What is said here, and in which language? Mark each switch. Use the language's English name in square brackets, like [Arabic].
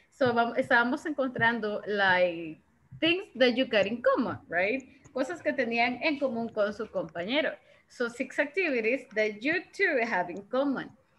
[English] So, [Spanish] estábamos encontrando, [English] like, things that you got in common, right? [Spanish] Cosas que tenían en común con su compañero. [English] So, six activities that you two have in common.